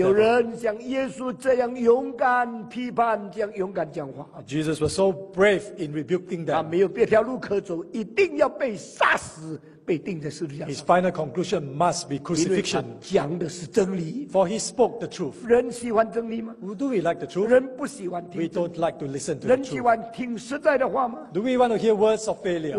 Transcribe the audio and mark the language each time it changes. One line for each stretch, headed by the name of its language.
Chinese: 有人像耶稣这样勇敢批判，这样勇敢讲话,
English: Jesus was so brave in rebuking them.
Chinese: 他没有别条路可走, 一定要被杀死。
English: His final conclusion must be crucifixion. For he spoke the truth.
Chinese: 人喜欢真理吗?
English: Do we like the truth?
Chinese: 人不喜欢听真理?
English: We don't like to listen to the truth.
Chinese: 人喜欢听实在的话吗?
English: Do we want to hear words of failure?